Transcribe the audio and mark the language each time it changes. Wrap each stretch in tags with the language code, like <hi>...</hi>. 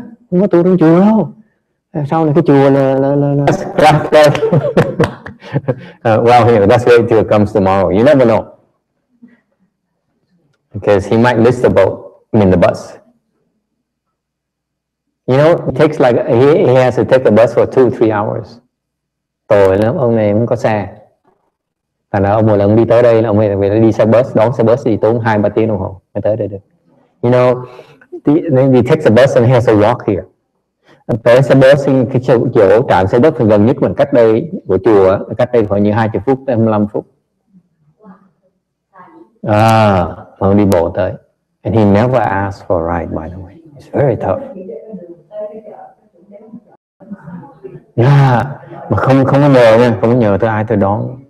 <vi>Không có tụi trong chùa đâu. Sau này cái chùa là.</vi> <en>Right, right. Well, here, that's wait till it comes tomorrow. You never know. Because he might miss the boat, I mean the bus. You know, it takes like, he has to take the bus for 2-3 hours.</en> <vi>Tồi lắm, ông này không có xe. Thành ra ông một lần đi tới đây, ông này đi xe bus, đón xe bus thì tốn 2-3 tiếng đồng hồ mới tới đây được.</vi> <en>You know, he takes the bus and he has to walk here.</en> <vi>Tới xe bus, cái chỗ trạm xe bus gần nhất mình cách đây của chùa, cách đây khoảng như 20 phút, 25 phút. À, ông đi bộ tới.</vi> <en>And he never asked for a ride, by the way. It's very tough.</en> <vi>Yeah, mà không có nhờ nha, không có nhờ tới ai tới đón.</vi>